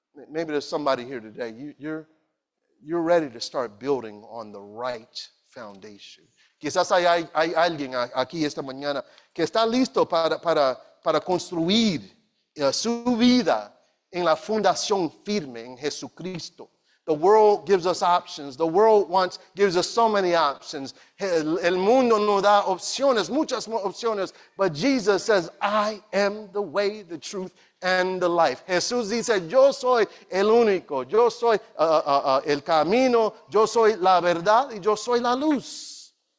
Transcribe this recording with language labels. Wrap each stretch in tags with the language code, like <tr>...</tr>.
<en>Maybe there's somebody here today. You're ready to start building on the right foundation.</en> <es>Quizás hay alguien aquí esta mañana que está listo para construir su vida en la fundación firme en Jesucristo.</es> <en>The world gives us options. The world gives us so many options.</en> <es>El mundo nos da opciones, muchas más opciones.</es> <en>But Jesus says, I am the way, the truth, and the life.</en> <es>Jesús dice, yo soy el único. Yo soy el camino. Yo soy la verdad y yo soy la luz.</es>